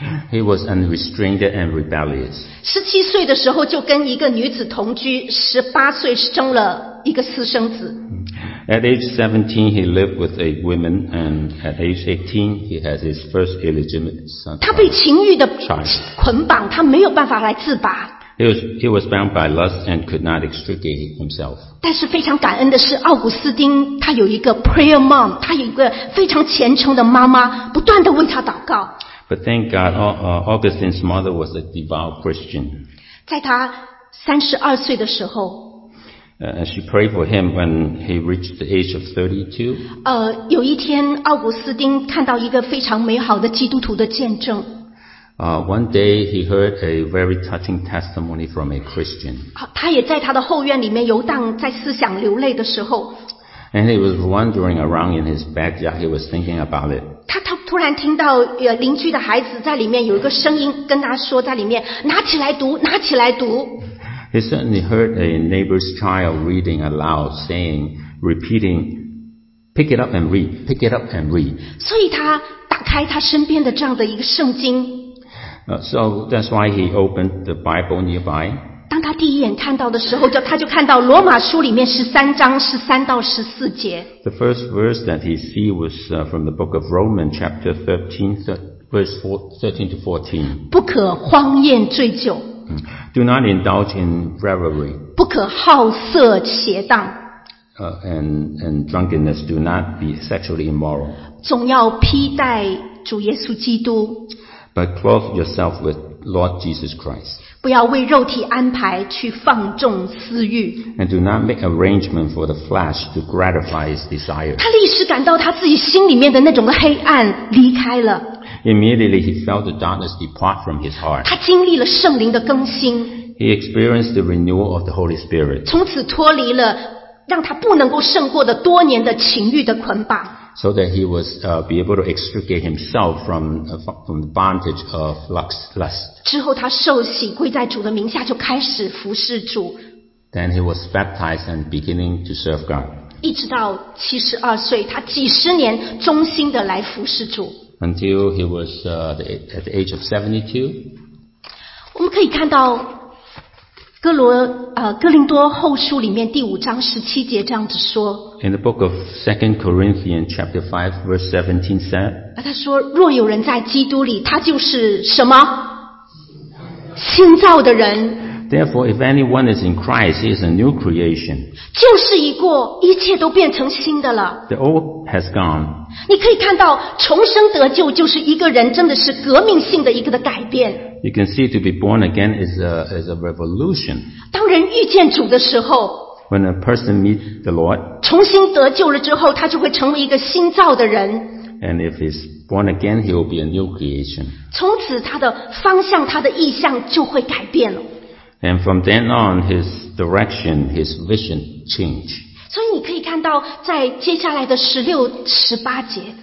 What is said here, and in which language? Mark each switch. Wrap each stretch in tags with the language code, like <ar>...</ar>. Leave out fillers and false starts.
<en>He was unrestrained and rebellious.</en> <zh>17岁的时候就跟一个女子同居，18岁生了一个私生子。</zh> <en>At age 17, he lived with a woman, and at age 18, he has his first illegitimate son.</en> <zh>他被情欲的捆绑，他没有办法来自拔。</zh> <en>He was bound by lust and could not extricate himself.</en> <zh>但是非常感恩的是，奥古斯丁他有一个</zh> <en>prayer mom，</en> <zh>他有一个非常虔诚的妈妈，不断的为他祷告。</zh> <en>But thank God, Augustine's mother was a devout Christian.</en> <zh>在他32岁的时候。</zh> <en>And she prayed for him when he reached the age of 32.</en> <zh>有一天奥古斯丁看到一个非常美好的基督徒的见证。</zh> <en>One day he heard a very touching testimony from a Christian.</en> <zh>他也在他的后院里面游荡，在思想流泪的时候。 And he was wandering around in his backyard. He was thinking about it. 他突然听到邻居的孩子在里面有一个声音跟他说在里面拿起来读拿起来读</zh> <en>He certainly heard a neighbor's child reading aloud saying repeating pick it up and read pick it up and read</en> <zh>所以他打开他身边的这样的一个圣经</zh> <en>So that's why he opened the Bible nearby</en> <zh>当他第一眼看到的时候就他就看到罗马书里面13章13到14节</zh> <en>The first verse that he see was from the book of Romans chapter 13 verse 13 to 14</en> <zh>不可荒宴醉酒</zh> <en>Do not indulge in revelry</en> <zh>不可好色邪荡</zh> <en>and drunkenness do not be sexually immoral</en> <zh>总要披戴主耶稣基督</zh> <en>But clothe yourself with Lord Jesus Christ</en> <zh>不要为肉体安排去放纵私欲</zh> <en>And do not make arrangement for the flesh to gratify its desire</en> <zh>他立时感到他自己心里面的那种黑暗离开了</zh> <en>Immediately he felt the darkness depart from his heart</en> <zh>他经历了圣灵的更新</zh> <en>He experienced the renewal of the Holy Spirit</en> <zh>从此脱离了让他不能够胜过的多年的情欲的捆绑</zh> <en>So that he was be able to extricate himself from the bondage of lust</en> <zh>之后他受洗归在主的名下就开始服侍主</zh> <en>Then he was baptized and beginning to serve God</en> <zh>一直到72岁他几十年忠心的来服侍主</zh> <en>Until he was at the age of 72</en> <zh>我们可以看到哥林多后书里面第五章十七节这样子说</zh> <en>In the book of 2 Corinthians chapter 5 verse 17 said</en> <zh>他说若有人在基督里他就是什么新造的人</zh> <en>Therefore, if anyone is in Christ, he is a new creation.</en> <zh>旧事已过，一切都变成新的了。</zh> <en>The old has gone.</en> <zh>你可以看到，重生得救就是一个人真的是革命性的一个的改变。</zh> <en>You can see to be born again is a revolution.</en> <zh>当人遇见主的时候</zh> <en>，When a person meets the Lord,</en> <zh>重新得救了之后，他就会成为一个新造的人。</zh> <en>And if he's born again, he will be a new creation.</en> <zh>从此他的方向他的意向就会改变了。</zh> <en>And from then on, his direction, his vision change.</en> <zh>所以你可以看到在接下来的16-18节。</zh>